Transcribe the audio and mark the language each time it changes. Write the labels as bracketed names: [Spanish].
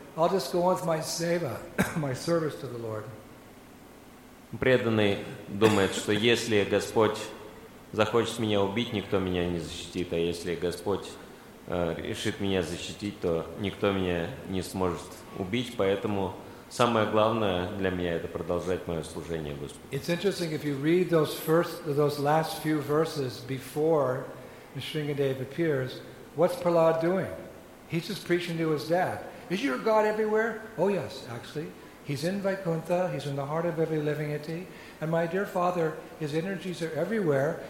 [English] I'll just go on with my seva, my service to the Lord. [Russian] Преданный думает, что если Господь захочет меня убить, никто меня не защитит, а если Господь решит меня защитить, то никто меня не сможет убить. Поэтому самое главное для меня это продолжать мое служение Господу. [English] It's interesting if you read those last few verses before Shringadev appears, what's Prahlad doing? He's just preaching to his dad. Is your God everywhere? Oh yes, actually. He's in Vaikuntha, he's in the heart of every living entity, and my dear father, his energies are everywhere.